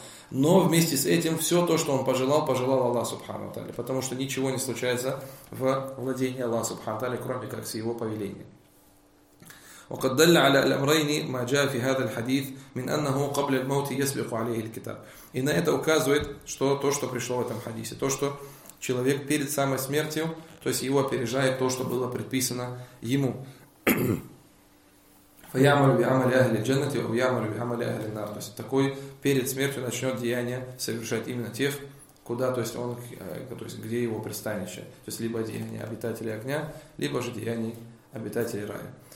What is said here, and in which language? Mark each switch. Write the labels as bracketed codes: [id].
[ru] Но вместе с этим все то, что он пожелал, пожелал Аллах Субхану Тааля. Потому что ничего не случается в владении Аллаха Субхану Тааля, кроме как с его повелением. [ar] وقد دل على الأمرين ما جاء في هذا الحديث من أنه قبل الموت يسبق عليه الكتاب. [ru] И на это указывает, что то, что пришло в этом хадисе, то, что человек перед самой смертью, то есть его опережает то, что было предписано ему. [ar] فَيَعْمَلُ بِعَمَلِ أَهْلِ الْجَنَّةِ وَيَعْمَلُ بِعَمَلِ أَهْلِ النَّارِ. [ru] То есть такой перед смертью начнет деяние совершать именно тех, куда, то есть он, то есть где его пристанище, то есть либо деяние обитателей огня, либо же деяние обитателей рая.